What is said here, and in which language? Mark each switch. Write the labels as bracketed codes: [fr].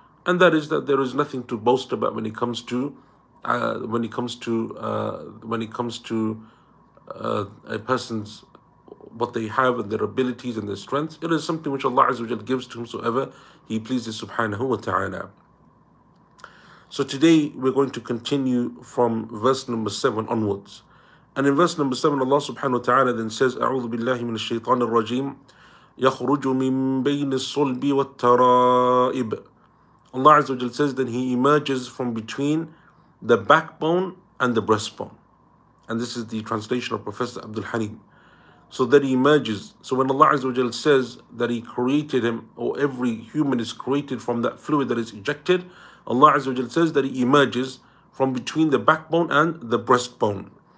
[en] And that is that there is nothing to boast about when it comes to a person's what they have and their abilities and their strengths. It is something which Allah Azza wa Jalla gives to whomsoever He pleases subhanahu wa ta'ala. So today we're going to continue from verse number 7 onwards. And in verse number 7, Allah subhanahu wa ta'ala then says, [ar] أعوذ بالله من الشيطان الرجيم يخرج من بين الصلب والترائب. [en] Allah Azza wa Jalla says that He emerges from between the backbone and the breastbone. And this is the translation of Professor Abdul Halim. So that He emerges. So when Allah Azza wa Jalla says that He created him, or every human is created from that fluid that is ejected, Allah Azza wa Jalla says that He emerges from between the backbone and the breastbone.